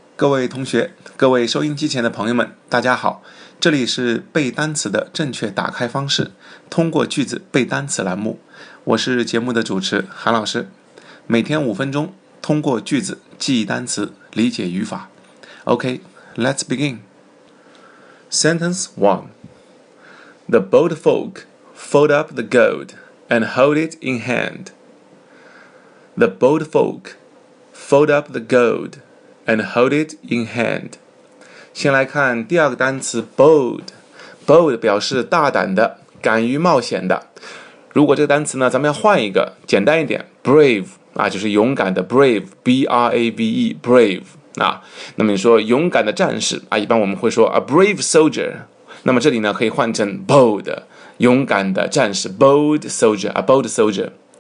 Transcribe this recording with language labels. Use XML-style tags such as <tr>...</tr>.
<zh>各位同学，各位收音机前的朋友们，大家好，这里是背单词的正确打开方式，通过句子背单词栏目，我是节目的主持韩老师，每天五分钟，通过句子记忆单词，理解语法。</zh> <en>OK, let's begin. Sentence 1. The boat folk fold up the gold and hold it in hand. The boat folk fold up the gold and hold it in hand.</en> <zh>先来看第二个单词 bold. Bold 表示大胆的，敢于冒险的。如果这个单词呢，咱们要换一个，简单一点， brave, 啊，就是勇敢的 brave, B-R-A-V-E, brave, 啊，那么你说勇敢的战士，啊，一般我们会说</zh> <en>a brave soldier,</en> <zh>那么这里呢，可以换成 bold, 勇敢的战士</zh> <en>bold soldier, a bold soldier.</en>